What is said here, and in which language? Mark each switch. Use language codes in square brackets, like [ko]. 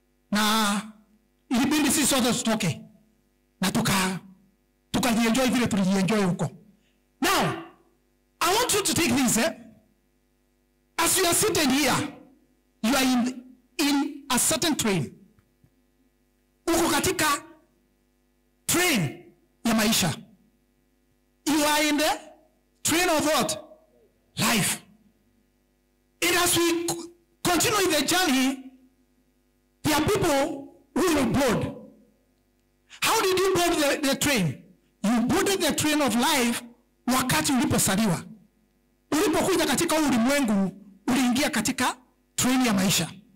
[sw] Na ilibidi sisi sote tutoke. Na tuka enjoy vile tulijienjoy huko. Na [en] Now, I want you to take this. Eh? As you are sitting here, you are in a certain train. [sw] Uko katika train ya maisha. [en] You are in the train of what? Life. And as we continue in the journey, there are people who will board. How did you board the train? You boarded the train of life [sw] wakati uliposaliwa. Ulipokuja katika ulimwengu, uliingia katika train ya maisha.